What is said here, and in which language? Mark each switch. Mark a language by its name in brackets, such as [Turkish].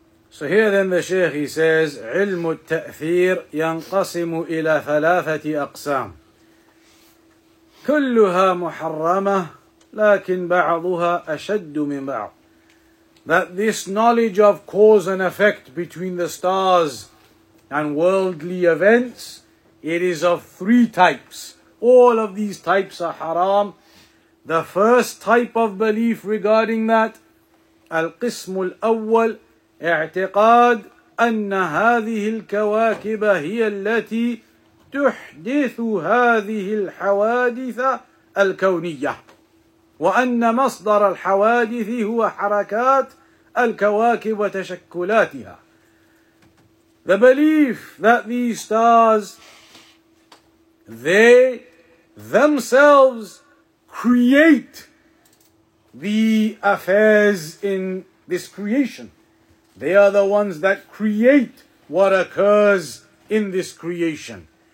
[English] So here then the Shaykh, he says, [Arabic] علم التأثير ينقسم إلى ثلاثة أقسام كلها محرمة لكن بعضها أشد من بعض. [English] That this knowledge of cause and effect between the stars and worldly events, it is of three types. All of these types are haram. The first type of belief regarding that, [Arabic] القسم الأول, اعتقاد أن هذه الكواكب هي التي تحدث هذه الحوادث الكونية وأن مصدر الحوادث هو حركات الكواكب وتشكلاتها. [English] The belief that these stars, they themselves create the affairs in this creation. They are the ones that create what occurs in this creation.